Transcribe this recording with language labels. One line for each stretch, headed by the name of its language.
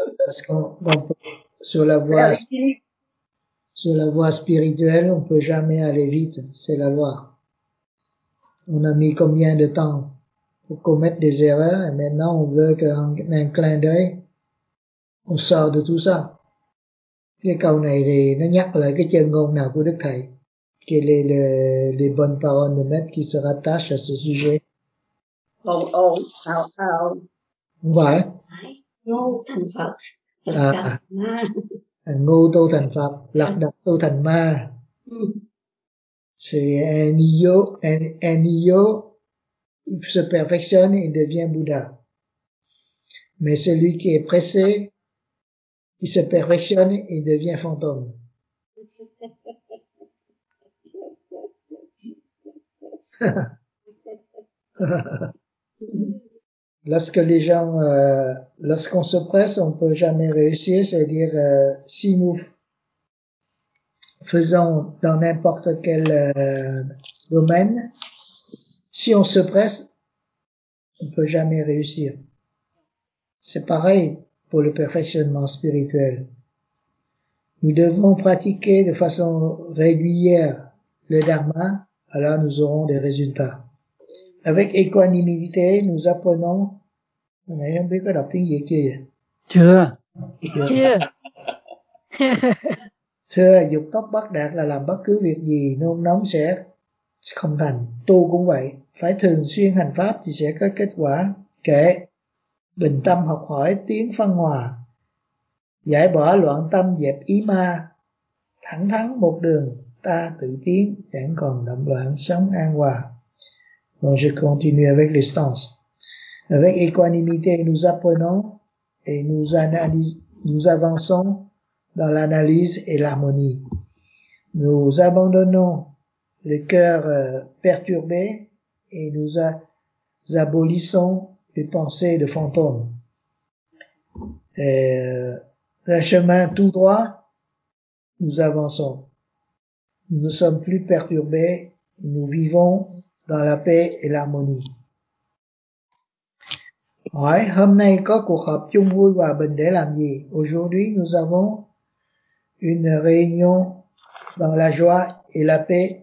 French: Parce qu'on peut, sur la voie spirituelle, on peut jamais aller vite. C'est la loi. On a mis combien de temps pour commettre des erreurs et maintenant on veut qu'un clin d'œil, on sort de tout ça.
Vietnamese: Cái câu này thì nó nhắc lại cái chân ngôn nào của Đức Thầy.
French: Que les bonnes paroles de maître qui se rattachent à ce sujet. Oh, oh, oh, oh.
Vietnamese: Không phải. Ngô thành Phật. À, ngô tu thành Phật, lạc đặc tu thành ma.
French: C'est un yo, il se perfectionne et devient Bouddha. Mais celui qui est pressé, il se perfectionne et il devient fantôme. Lorsque les gens, lorsqu'on se presse, on peut jamais réussir, c'est-à-dire, si nous faisons dans n'importe quel domaine, si on se presse, on peut jamais réussir. C'est pareil pour le perfectionnement spirituel. Nous devons pratiquer de façon régulière le dharma, alors nous aurons des résultats. Avec équanimité, nous apprenons.
Vietnamese: Này không biết có đọc tiếng Việt chưa vậy? Chưa. Thưa, dục tốc bất đạt là làm bất cứ việc gì nôn nóng sẽ không thành. Tu cũng vậy, phải thường xuyên hành pháp thì sẽ có kết quả. Kệ, bình tâm học hỏi tiếng phân hòa, giải bỏ loạn tâm dẹp ý ma, thẳng thắn một đường ta tự tiến, chẳng còn động loạn sống an hòa.
French: Donc je continue avec les stances. Avec équanimité, nous apprenons et nous avançons dans l'analyse et l'harmonie. Nous abandonnons le cœur perturbé et nous abolissons les pensées de fantômes. Le chemin tout droit, nous avançons. Nous ne sommes plus perturbés, nous vivons dans la paix et l'harmonie.
Vietnamese: Hỏi, hôm nay có cuộc họp chung vui hòa bình để làm gì?
French: Aujourd'hui, nous avons une réunion dans la joie et la paix.